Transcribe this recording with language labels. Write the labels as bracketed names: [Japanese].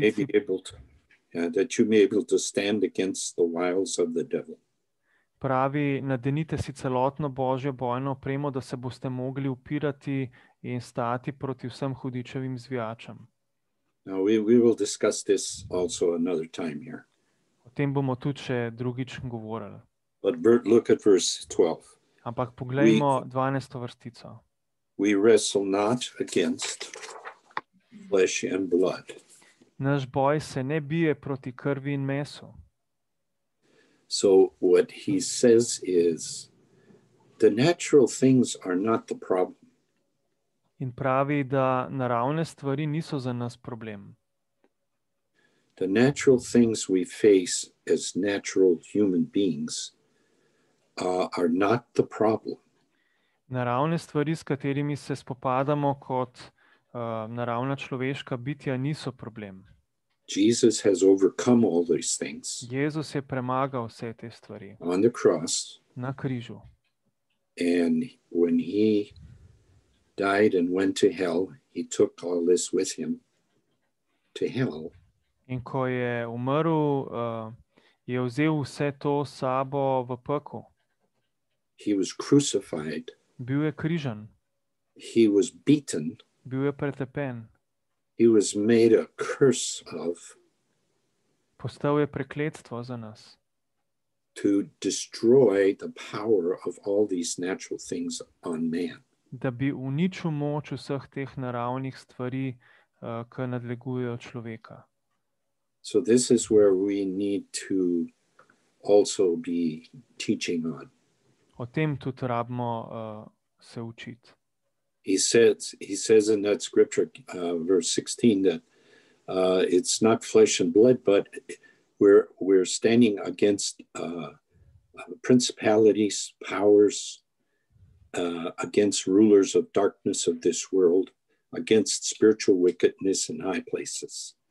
[English] that, you able to, yeah, that you may be able to stand against the wiles of the devil. [Slovenian] Pravi, nadenite si celotno Božjo bojno opremo, da se boste mogli upirati in stati proti vsem hudičevim zvijačem. [English] Now we will discuss this also another time here. [Slovenian] O tem bomo tudi še drugič govorili. [English] But look at verse 12. [Slovenian] Ampak poglejmo 12. Vrstico. [English] We wrestle not against flesh and blood. [Slovenian] Naš boj se ne bije proti krvi in mesu. [English] So what he says is the natural things are not the problem. [Slovenian] In pravi, da naravne stvari niso za nas problem. [English] The natural things we face as natural human beings are not the problem. [Slovenian] Naravne stvari, s katerimi se spopadamo kot naravna človeška bitja, niso problem. [English] Jesus has overcome all these things. [Slovenian] Jezus je premagal vse te stvari. [English] On the cross. [Slovenian] Na križu. [English] And when he died and went to hell, he took all this with him to hell. [Slovenian] In ko je umrl, je vzel vse to sabo v peklo. [English] He was crucified. [Slovenian] Bil je križan. [English] He was beaten. [Slovenian] Bil je pretepen. [English] He was made a curse of. [Slovenian] Postal je prekletstvo za nas. [English] To destroy the power of all these natural things on man. [Slovenian] Da bi uničil moč vseh teh naravnih stvari, ki nadlegujejo človeka. [English] So this is where we need to also be teaching on. [Slovenian] O tem tudi rabimo se učiti. [English] He says in that scripture, verse 16, that it's not flesh and blood, but we're standing against principalities, powers, against rulers of darkness of this world, against spiritual wickedness in high places.